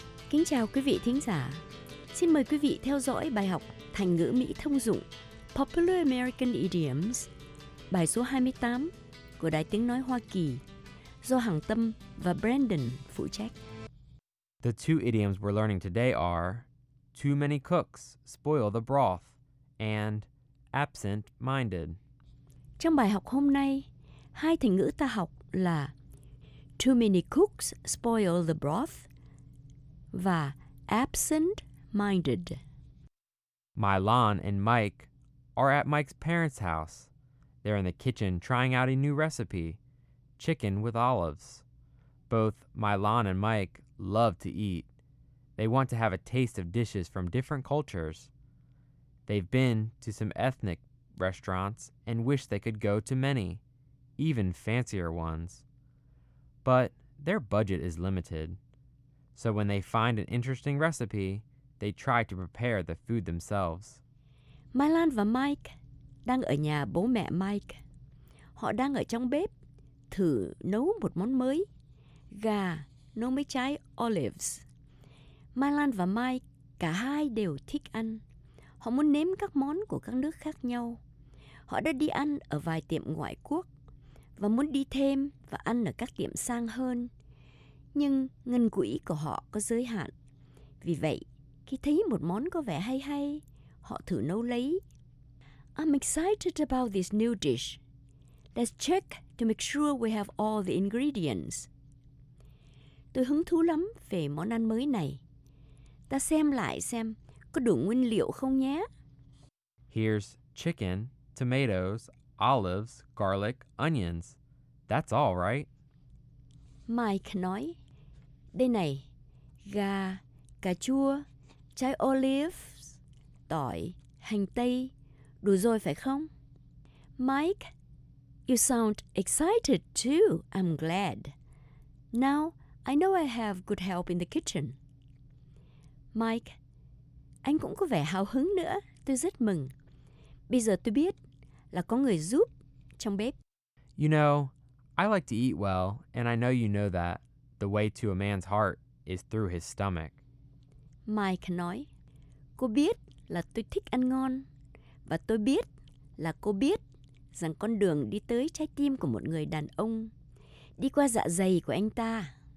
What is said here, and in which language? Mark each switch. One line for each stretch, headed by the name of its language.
Vietnamese: Kính chào quý vị thính giả. Xin mời quý vị theo dõi bài học thành ngữ Mỹ thông dụng
English: Popular American Idioms,
Vietnamese: bài số 28 của Đài Tiếng Nói Hoa Kỳ, do Hằng Tâm và Brandon phụ trách.
English: The two idioms we're learning today are too many cooks spoil the broth and absent-minded.
Vietnamese: Trong bài học hôm nay, hai thành ngữ ta học là
English: too many cooks spoil the broth
Vietnamese: và absent-minded.
English: Mylon and Mike are at Mike's parents' house. They're in the kitchen trying out a new recipe, chicken with olives. Both Mylon and Mike love to eat. They want to have a taste of dishes from different cultures. They've been to some ethnic restaurants and wish they could go to many, even fancier ones. But their budget is limited. So when they find an interesting recipe, they try to prepare the food themselves.
Vietnamese: Mylon và Mike đang ở nhà bố mẹ Mike. Họ đang ở trong bếp thử nấu một món mới, gà nấu mấy trái olives. Mylon và Mike cả hai đều thích ăn. Họ muốn nếm các món của các nước khác nhau. Họ đã đi ăn ở vài tiệm ngoại quốc và muốn đi thêm và ăn ở các tiệm sang hơn. Nhưng ngân quỹ của họ có giới hạn. Vì vậy, khi thấy một món có vẻ hay hay, họ thử nấu lấy.
English: I'm excited about this new dish. Let's check to make sure we have all the ingredients.
Vietnamese: Tôi hứng thú lắm về món ăn mới này. Ta xem lại xem có đủ nguyên liệu không nhé.
English: Here's chicken, tomatoes, olives, garlic, onions. That's all, right?
Vietnamese: Mike nói, đây này, gà, cà chua, trái olives, tỏi, hành tây, đủ rồi phải không?
English: Mike, you sound excited too, I'm glad. Now, I know I have good help in the kitchen.
Vietnamese: Mike, anh cũng có vẻ hào hứng nữa, tôi rất mừng. Bây giờ tôi biết là có người giúp trong bếp.
English: You know, I like to eat well, and I know you know that. The way to a man's heart is through his stomach.
Vietnamese: Mike nói, cô biết là tôi thích ăn ngon, và tôi biết là cô biết rằng con đường đi tới trái tim của một người đàn ông, đi qua dạ dày của anh ta.